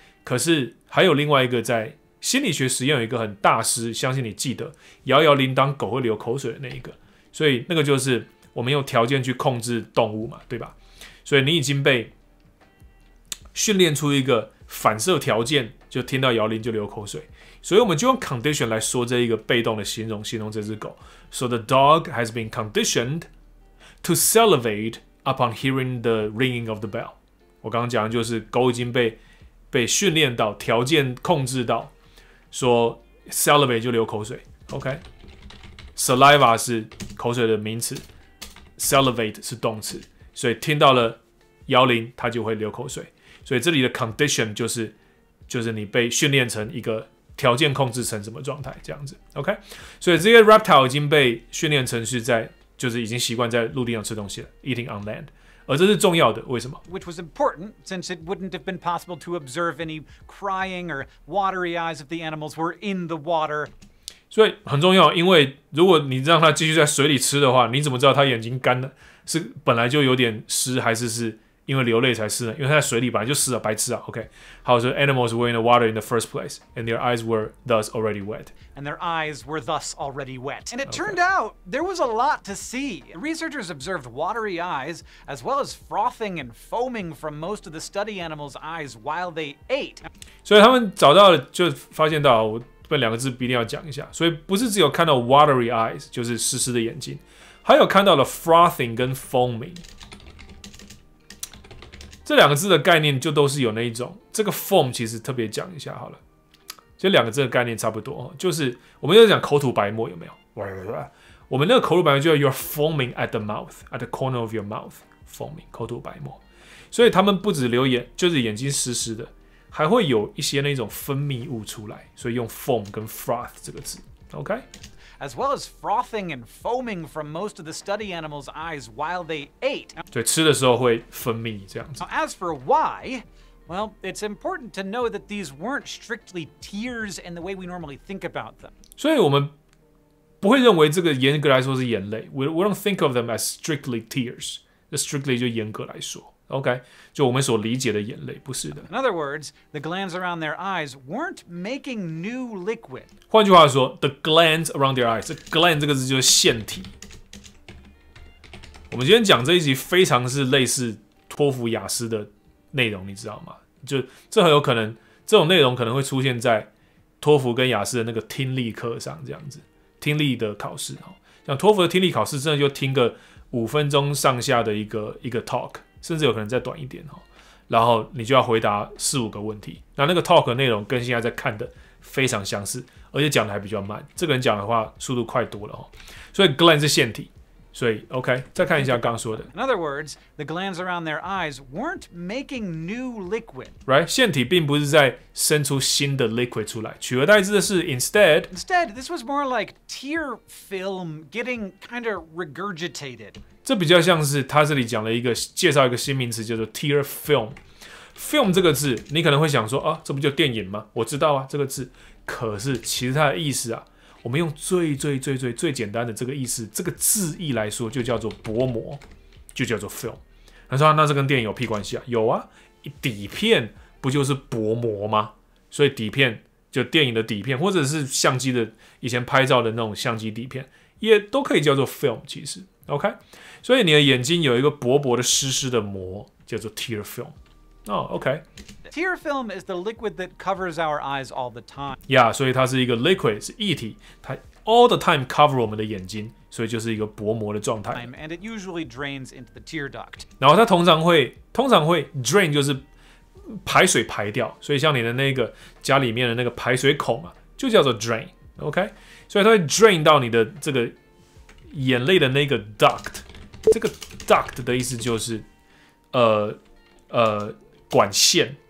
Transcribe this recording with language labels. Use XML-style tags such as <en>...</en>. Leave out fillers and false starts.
<zh>可是还有另外一个在心理学实验有一个很大师，相信你记得摇摇铃铛狗会流口水的那一个。所以那个就是我们用条件去控制动物嘛，对吧？所以你已经被训练出一个反射条件，就听到摇铃就流口水，所以我们就用 condition 来说这一个被动的形容，形容这只狗。</zh> <en>So the dog has been conditioned to salivate upon hearing the ringing of the bell。</en> <zh>我刚刚讲的就是狗已经被训练到，条件控制到，说 salivate 就流口水。 OK， saliva 是口水的名词， salivate 是动词，所以听到了摇铃它就会流口水。所以这里的 condition 就是你被训练成一个条件控制成什么状态这样子。 OK， 所以这些 reptile 已经被训练成是在就是已经习惯在陆地上吃东西了，</zh> <en>eating on land。</en> <zh>而这是重要的，为什么？</zh> <en>Which was important, since it wouldn't have been possible to observe any crying or watery eyes if the animals were in the water.</en> <zh>所以很重要，因为如果你让它继续在水里吃的话，你怎么知道它眼睛干了是本来就有点湿，还是因为流泪才湿呢？因为它在水里本来就湿了，白痴啊。</zh> <en>OK，</en> <zh>好，所以</zh> <en>animals were in the water in the first place, and their eyes were thus already wet. And their eyes were thus already wet. And it turned out there was a lot to see. Researchers observed watery eyes, as well as frothing and foaming from most of the study animals' eyes while they ate.</en> <zh>所以他们找到了，就发现到，我这两个字一定要讲一下。所以不是只有看到 watery eyes， 就是湿湿的眼睛，还有看到了 frothing 跟 foaming。这两个字的概念就都是有那一种，这个 foam 其实特别讲一下好了，这两个字的概念差不多，就是我们就讲口吐白沫有没有？我们那个口吐白沫就叫</zh> <en>you're foaming at the mouth, at the corner of your mouth,</en> <zh>foaming 口吐白沫。所以他们不止流眼，就是眼睛湿湿的，还会有一些那种分泌物出来，所以用 foam 跟 froth 这个字。</zh> <en>OK， as well as frothing and foaming from most of the study animals' eyes while they ate.</en> <zh>对，吃的时候会分泌这样子。</zh> <en>Now, as for why, well, it's important to know that these weren't strictly tears in the way we normally think about them.</en> <zh>所以我们不会认为这个严格来说是眼泪。</zh> <en>We don't think of them as strictly tears.</en> <zh>Strictly 就严格来说。OK， 就我们所理解的眼泪，不是的。</zh> <en>In other words, the glands around their eyes weren't making new liquid.</en> <zh>换句话说 ，</zh> <en>the glands around their eyes，</en> <zh>这 gland 这个字就是腺体。我们今天讲这一集非常是类似托福雅思的内容，你知道吗？就这很有可能，这种内容可能会出现在托福跟雅思的那个听力课上，这样子听力的考试哈。像托福的听力考试，真的就听个五分钟上下的一个 talk。甚至有可能再短一点，然后你就要回答四五个问题。那个 talk 内容跟现在在看的非常相似，而且讲的还比较慢。这个人讲的话速度快多了，所以 gland 是腺体。所以 OK， 再看一下刚刚说的。</zh> <en>In other words, the glands around their eyes weren't making new liquid.</en> <zh>Right， 腺体并不是在生出新的 liquid 出来，取而代之的是 instead。</zh> <en>Instead, this was more like tear film getting kind of regurgitated。</en> <zh>这比较像是他这里讲了一个介绍一个新名词，叫做 tear film。 Film 这个字，你可能会想说啊，这不就电影吗？我知道啊，这个字。可是其实它的意思啊。我们用最最最最最简单的这个意思，这个字义来说，就叫做薄膜，就叫做 film。他说：“那这跟电影有屁关系啊？有啊，底片不就是薄膜吗？所以底片就电影的底片，或者是相机的以前拍照的那种相机底片，也都可以叫做 film。其实 ，OK， 所以你的眼睛有一个薄薄的湿湿的膜，叫做 tear film。”</zh> <en>OK. Tear film is the liquid that covers our eyes all the time.</en> <zh>Yeah, 所以它是一个 liquid, 是液体，它</zh> <en>all the time cover</en> <zh>我们的眼睛，所以就是一个薄膜的状态。</zh> <en>And it usually drains into the tear duct.</en> <zh>然后它通常会 drain 就是排水排掉，所以像你的那个家里面的那个排水孔啊，就叫做 drain. OK， 所以它会 drain 到你的这个眼泪的那个 duct， 这个 duct 的意思就是管线。</zh>